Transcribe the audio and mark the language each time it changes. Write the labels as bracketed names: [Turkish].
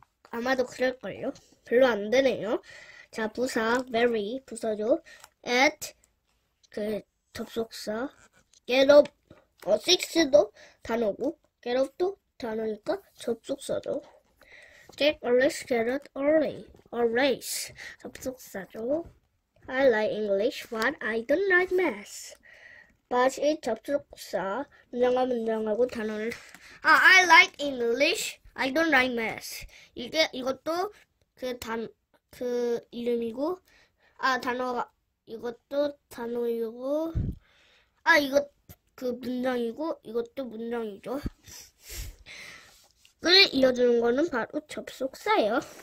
[Korean] 아마도 그럴걸요. 별로 안 되네요. 자, busa, very, 부사죠. at, 접속사. get up, six도 단어고, get up도 단어니까 접속사죠. [English] Jack always get up early. [Korean] Always. 접속사죠. [English] I like English, but I don't like math. [Korean] But it 접속사. 문장하고 단어를. [English] I like English, I don't like math. [Korean] 이것도 그 이름이고, 아, 단어가, 이것도 단어이고, 아, 이거 그 문장이고, 이것도 문장이죠. 글 이어주는 거는 바로 접속사예요.